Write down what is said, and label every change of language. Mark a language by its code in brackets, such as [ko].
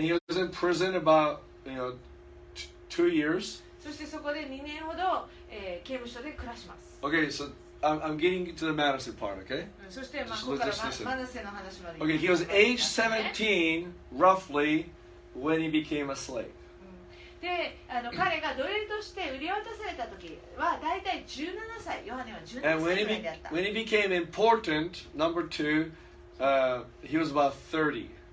[en] And he was in prison about, you know, two years. [ja] そしてそこで2年ほど、刑務所で暮らします。 [en] Okay, so I'm getting to the Manasseh part, okay? [ja] そして、まあ、ここからマナセの話まで。 [en] Okay, he was age 17, roughly, when he became a slave. [ja] で、あの、彼が奴隷として売り渡された時は、だいたい17歳、ヨハネは17歳くらいであった。 [en] And when he became important, number two, he was about 30.